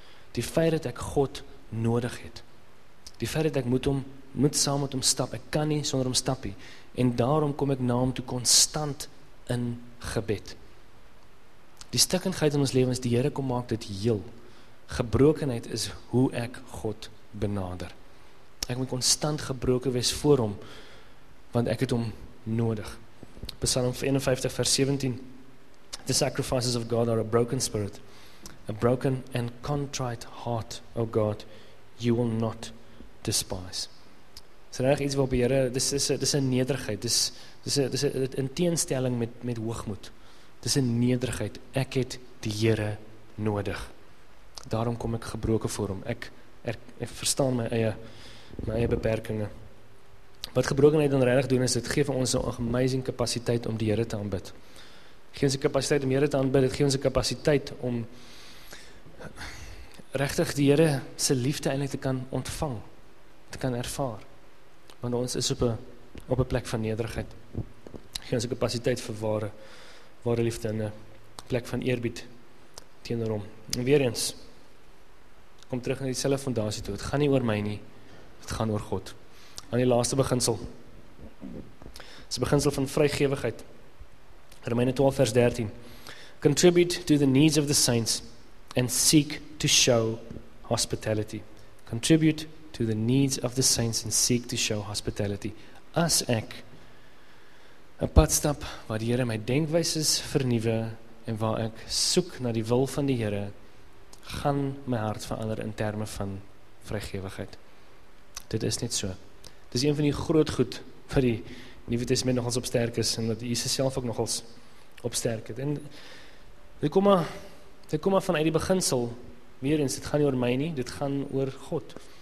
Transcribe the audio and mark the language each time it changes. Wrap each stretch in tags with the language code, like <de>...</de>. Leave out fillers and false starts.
<af>Die feit dat ek God nodig het. Die feit dat ek moet saam met hom stap. Ek kan nie sonder hom stap nie. En daarom kom ek na hom toe konstant in gebed. Die stikkendheid in ons lewens, die Here kom maak dit heel. Gebrokenheid is hoe ek God benader. Ek moet konstant gebroken wees voor hom, want ek het hom nodig. Psalm 51 verse 17.</af> <en>The sacrifices of God are a broken spirit, a broken and contrite heart, O God, you will not despise.</en> <af>Dis reg iets wat Here, dis is 'n nederigheid. Dis is 'n teenstelling met hoogmoed. Dis 'n nederigheid. Ek het die Here nodig. Daarom kom ek gebroken voor hom. Ek verstaan my eie beperkinge. Wat gebrokenheid dan regtig doen is dit gee vir ons 'n amazing kapasiteit om die Here te aanbid. Gee ons 'n kapasiteit om die Here te aanbid, dit gee ons 'n kapasiteit om regtig die Here se liefde eintlik te kan ontvang, te kan ervaar. Want ons is op 'n plek van nederigheid. Gee ons 'n kapasiteit vir ware liefde en 'n plek van eerbied teenoor hom. En weer eens, kom terug na dieselfde fondasie toe. Dit gaan nie oor my nie, dit gaan oor God. Aan die laaste beginsel. Dis 'n beginsel van vrygewigheid. Romeine 12 vers 13.</af> <en>Contribute to the needs of the saints and seek to show hospitality. Contribute to the needs of the saints and seek to show hospitality.</en> <af>As ek 'n pad stap waar die Here my denkwyses vernuwe en waar ek soek na die wil van die Here, gaan my hart verander in terme van vrygewigheid. Dit is net so. Dit is een van die groot goed wat die Nuwe Testament nogals op sterk is en wat Jesus self ook nogals op sterk het. En dit kom maar vanuit die beginsel, weer eens, dit gaan nie oor my nie, dit gaan oor God.</af>